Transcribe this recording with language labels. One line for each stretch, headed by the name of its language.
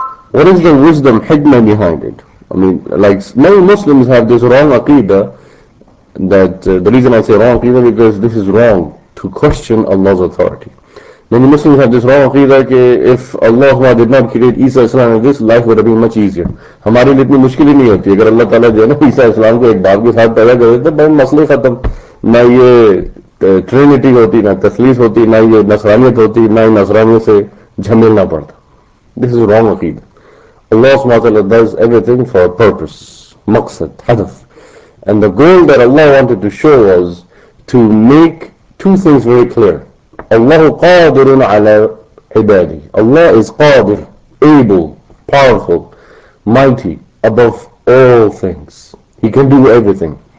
English: What is the wisdom, hikmah behind it? I mean, like, many Muslims have this wrong aqidah, that the reason I say wrong aqidah, because this is wrong to question Allah's authority. Many Muslims have this wrong aqidah, ke if Allah did not create Isa Islam, this life would have been much easier.
Urdu: ہماری لیے اتنی مشکل نہیں ہوتی۔ اگر اللہ تعالیٰ جو ہے نا عیسی اسلام کو ایک باپ کے ساتھ پیدا کر دیتے، بہت مسلے ختم۔ نہ یہ ٹرینیٹی ہوتی، نہ تثلیث ہوتی، نہ یہ نصرانیت ہوتی، نہ یہ نصرانیت سے جھمیلنا پڑتا۔
English: This is wrong aqeed. Allah SWT does everything for a purpose, maqsad, hadaf. And the goal that Allah wanted to show was to make two things very clear.
Arabic: Allah qadirun ala ibadi.
English: Allah is qadir, able, powerful, mighty, above all things. He can do everything.